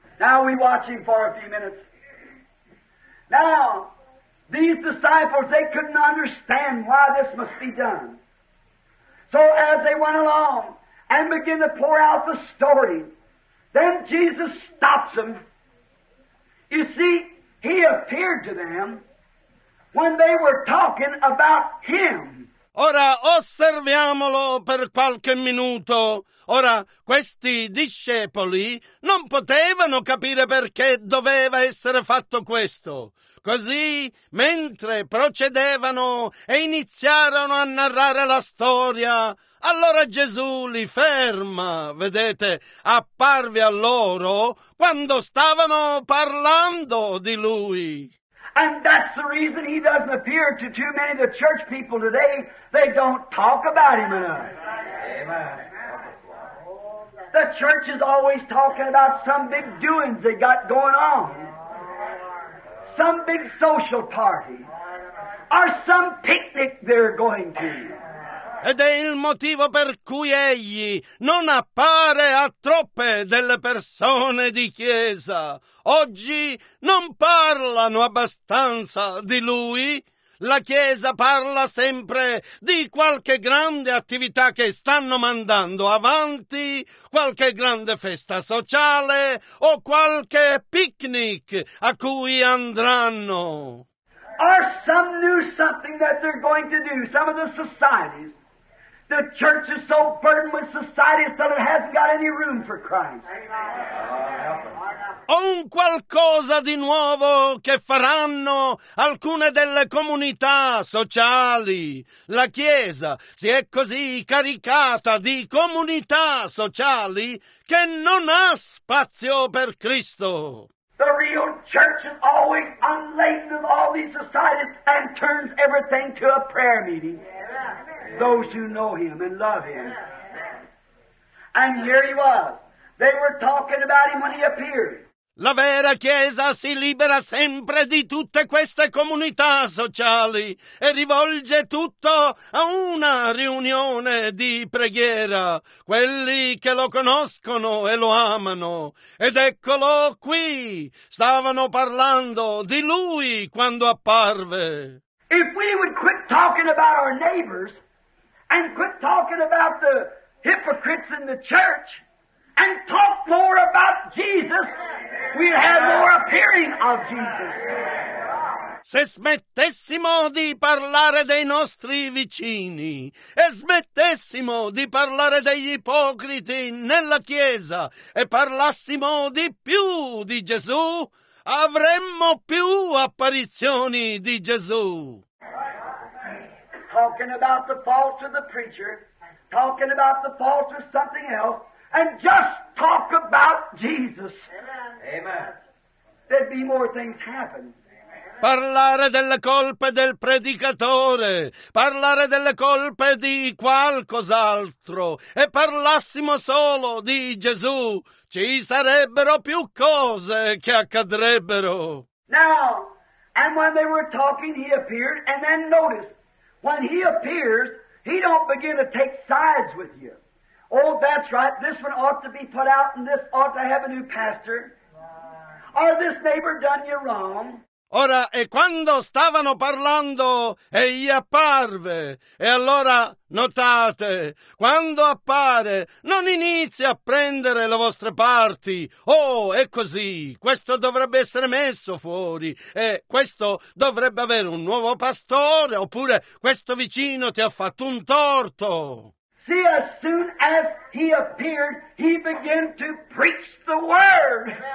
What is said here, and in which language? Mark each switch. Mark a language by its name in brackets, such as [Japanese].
[English] Now we watch him for a few minutes. Now, these disciples, they couldn't understand why this must be done. So as they went along and began to pour out the story, then Jesus stops them. You see, he appeared to them when they were talking about him. [Italian] Ora osserviamolo per qualche minuto. Ora, questi discepoli non potevano capire perché doveva essere fatto questo. Così, mentre procedevano e iniziarono a narrare la storia, allora Gesù li ferma, vedete, apparve a loro quando stavano parlando di lui. [English] And that's the reason he doesn't appear to too many of the church people today. They don't talk about him enough. Amen. The church is always talking about some big doings they got going on. Some big social party. Or some picnic they're going to. [Italian] Ed è il motivo per cui egli non appare a troppe delle persone di chiesa. Oggi non parlano abbastanza di lui. La chiesa parla sempre di qualche grande attività che stanno mandando avanti, qualche grande festa sociale o qualche picnic a cui andranno. [English] Or some new something that they're going to do, some of the societies. The church is so burdened with societies that it hasn't got any room for Christ. [Italian] O un qualcosa di nuovo che faranno alcune delle comunità sociali. La Chiesa si è così caricata di comunità sociali che non ha spazio per Cristo. [English] The real church is always unladen of all these societies and turns everything to a prayer meeting. Those who know him and love him. And here he was. They were talking about him when he appeared. [Italian] La vera Chiesa si libera sempre di tutte queste comunità sociali e rivolge tutto a una riunione di preghiera, quelli che lo conoscono e lo amano. Ed eccolo qui, stavano parlando di lui quando apparve. [English] If we would quit talking about our neighbors and quit talking about the hypocrites in the church and talk more about Jesus, we'd have more appearing of Jesus. [Italian] Se smettessimo di parlare dei nostri vicini e smettessimo di parlare degli ipocriti nella chiesa e parlassimo di più di Gesù, avremmo più apparizioni di Gesù. [English] Talking about the faults of the preacher, talking about the faults of something else, and just talk about Jesus. Amen. There'd be more things happen. [Italian] Parlare delle colpe del predicatore, parlare delle colpe di qualcos'altro, e parlassimo solo di Gesù, ci sarebbero più cose che accadrebbero. [English] Now, and when they were talking, he appeared, and then noticed. When he appears, he don't begin to take sides with you. Oh, that's right, this one ought to be put out and this ought to have a new pastor. Or this neighbor done you wrong. [Italian] Ora, e quando stavano parlando, egli apparve. E allora, notate, quando appare, non inizia a prendere le vostre parti. Oh, è così, questo dovrebbe essere messo fuori, e questo dovrebbe avere un nuovo pastore, oppure questo vicino ti ha fatto un torto. [English] See, as soon as he appeared, he began to preach the word.